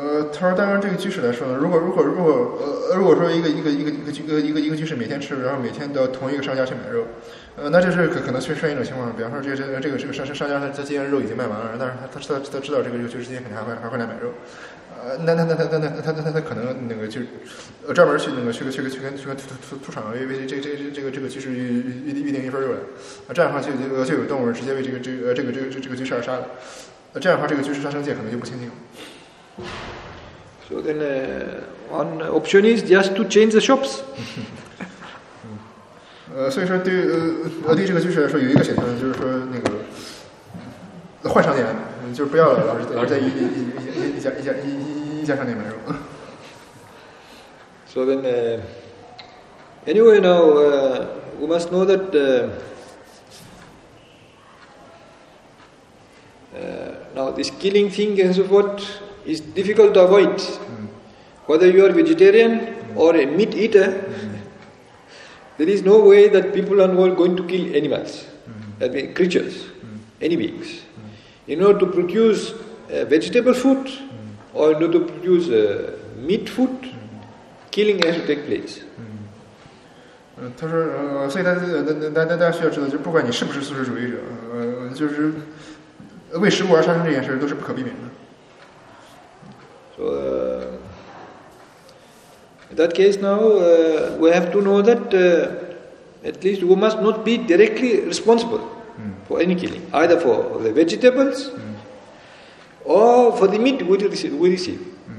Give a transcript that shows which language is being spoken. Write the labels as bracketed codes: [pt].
[zh] 他说，当然，这个居士来说呢，如果说一个居士每天吃，然后每天到同一个商家去买肉，那这是可能出现一种情况，比方说这个商家他今天肉已经卖完了，但是他知道这个居士今天肯定还会来买肉，那他可能那个就专门去那个去跟屠场为这个居士预定一份肉来，这样的话就有动物直接为这个居士而杀了，这样的话这个居士杀生戒可能就不清净了。 [en] So then, one option is just to change the shops. [zh] 所以说对这个居士来说，有一个选择就是说那个换商店，就是不要老是在一家商店买肉。 [en] So then, anyway, now we must know that now this killing thing and so forth. It's difficult to avoid, whether you are vegetarian or a meat eater. There is no way that people are not going to kill animals, that means creatures, any beings. In order to produce vegetable food or in order to produce meat food, killing has to take place. [zh] 他说，所以大家需要知道，就不管你是不是素食主义者，就是为食物而杀生这件事都是不可避免的。 [en] So, in that case now, we have to know that at least we must not be directly responsible for any killing, either for the vegetables or for the meat we receive.